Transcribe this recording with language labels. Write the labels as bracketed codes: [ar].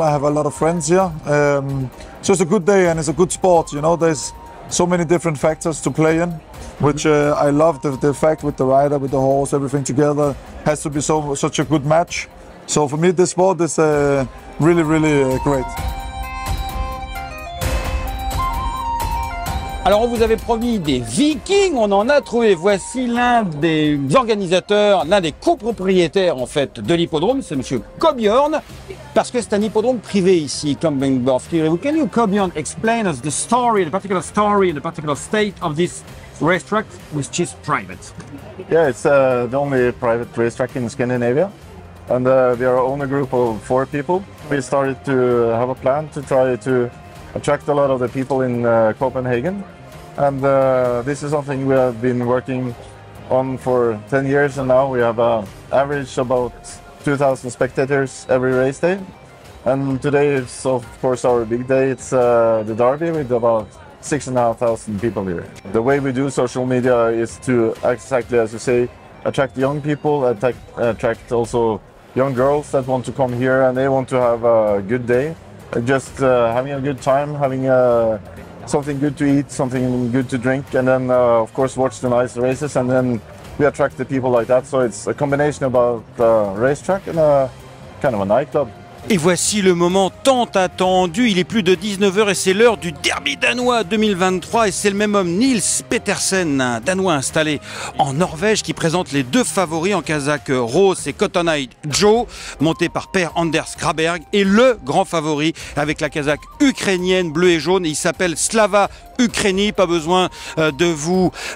[en] I have a lot of friends here. So it's a good day and it's a good sport. You know, there's so many different factors to play in, which I love the fact with the rider, with the horse, everything together has to be so such a good match. So for me, this sport is really, really great. [fr] Alors on vous avait promis des Vikings, on en a trouvé. Voici l'un des organisateurs, l'un des copropriétaires en fait de l'hippodrome, c'est monsieur Cobjorn, parce que c'est un hippodrome privé ici, Klampenborg. [en] Can you, Cobjorn, explain us the story, the particular story, the particular state of this racetrack, which is private? Yeah, it's the only private racetrack in Scandinavia, and we are only a group of four people. We started to have a plan to try to attract a lot of the people in Copenhagen, and this is something we have been working on for 10 years, and now we have average about 2,000 spectators every race day. And today is of course our big day, it's the Derby with about 6,500 people here. The way we do social media is to, exactly as you say, attract young people, attract also young girls that want to come here and they want to have a good day. Just having a good time, having something good to eat, something good to drink, and then of course watch the nice races, and then we attract the people like that. So it's a combination about racetrack and kind of a nightclub. [fr] Et voici le moment tant attendu, il est plus de 19h et c'est l'heure du Derby danois 2023 et c'est le même homme Nils Petersen, un danois installé en Norvège qui présente les deux favoris en casaque rose et Cotton Eye Joe, monté par Per Anders Graberg, et le grand favori avec la casaque ukrainienne bleu et jaune, il s'appelle Slava Ukraini, pas besoin de vous